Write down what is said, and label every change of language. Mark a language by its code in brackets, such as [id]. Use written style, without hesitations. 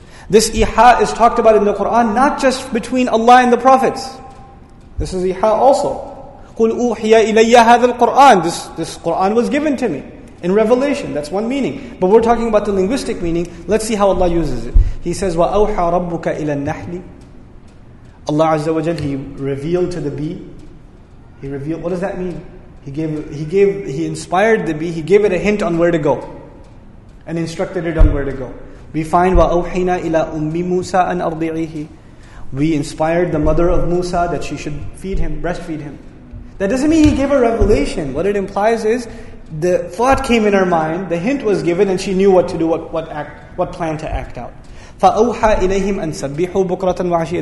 [en] This iha is talked about in the Quran, not just between Allah and the prophets. This is iha also. [ar] قُلْ أُوحِيَ إِلَيَّ هَذَا الْقُرْآنِ. [en] This Quran was given to me. In revelation, that's one meaning. But we're talking about the linguistic meaning. Let's see how Allah uses it. He says, [ar] وَأَوْحَى رَبُّكَ إِلَى النَّحْلِ. [en] Allah Azza wa Jal, He revealed to the bee. He revealed, what does that mean? He inspired the bee, He gave it a hint on where to go. And instructed it on where to go. We find, [ar] وَأَوْحِنَا إِلَى أُمِّ مُوسَىٰ أَنْ أَرْضِعِهِ. [en] We inspired the mother of Musa that she should feed him, breastfeed him. That doesn't mean He gave a revelation. What it implies is, the thought came in her mind, the hint was given, and she knew what to do, what plan to act out. [ar] فَأَوْحَى إِلَيْهِمْ أَنْ سَبِّحُوا بُكْرَةً وَعَشِيَةً.